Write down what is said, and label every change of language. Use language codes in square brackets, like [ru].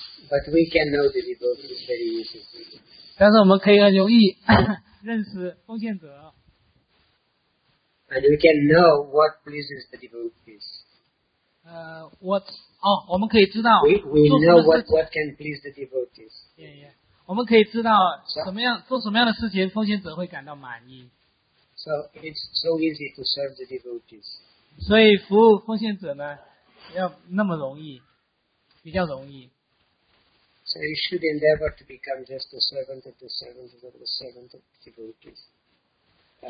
[en] But we can know the devotees very easily. [zh] 但是我们可以很容易认识奉献者。 [en] And we can know what pleases the devotees. [zh] 我们可以知道。 [en] We know what can please the devotees. Yeah, yeah. [zh] 我们可以知道什么样做什么样的事情奉献者会感到满意。 [en] So it's so easy to serve the devotees. [zh] 所以服务奉献者呢要那么容易，比较容易。 [en] So you should endeavor to become just a servant of the servant of the servant of the devotees.